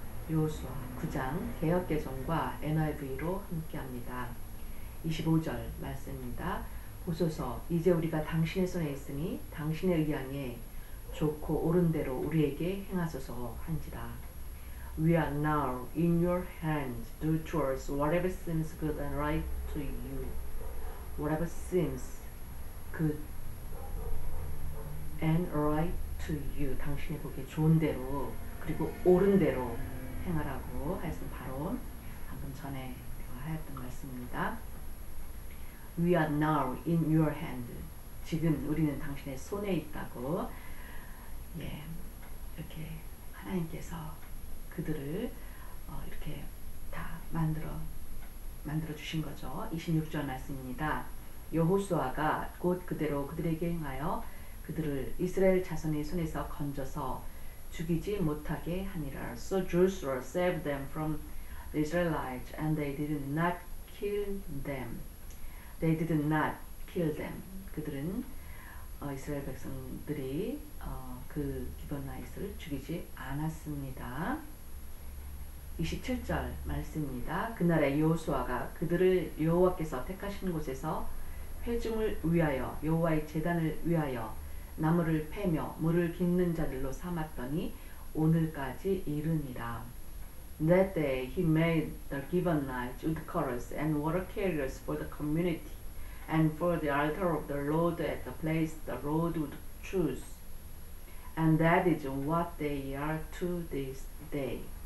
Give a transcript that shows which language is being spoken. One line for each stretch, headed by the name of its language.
Korean: 요수아 9장 개혁개정과 NIV로 함께합니다. 25절 말씀입니다. 보소서 이제 우리가 당신의 손에 있으니 당신의 의향에 좋고 오른대로 우리에게 행하소서 한지라.
English: We are now in your hands. Do towards whatever seems good and right to you. Whatever seems good and right to you.
Korean: 당신의 보기에 좋은 대로 그리고 옳은 대로 행하라고 하였음 바로 방금 전에 하였던 말씀입니다.
English: We are now in your hand.
Korean: 지금 우리는 당신의 손에 있다고 예, 이렇게 하나님께서 그들을 이렇게 다 만들어 주신 거죠. 26절 말씀입니다. 여호수아가 곧 그대로 그들에게 행하여 그들을 이스라엘 자손의 손에서 건져서 죽이지 못하게 하니라.
English: So Joshua saved them from the Israelites and they did not kill them. They did not kill them.
Korean: 그들은 이스라엘 백성들이 그 기브나이스를 죽이지 않았습니다. 27절 말씀입니다. 그날에 여호수아가 그들을 여호와께서 택하신 곳에서 회중을 위하여 여호와의 제단을 위하여 나무를 패며 물을 긷는 자들로 삼았더니 오늘까지 이르니라.
English: That day he made the Gibeonites with cutters and water carriers for the community and for the altar of the Lord at the place the Lord would choose. And that is what they are to this day.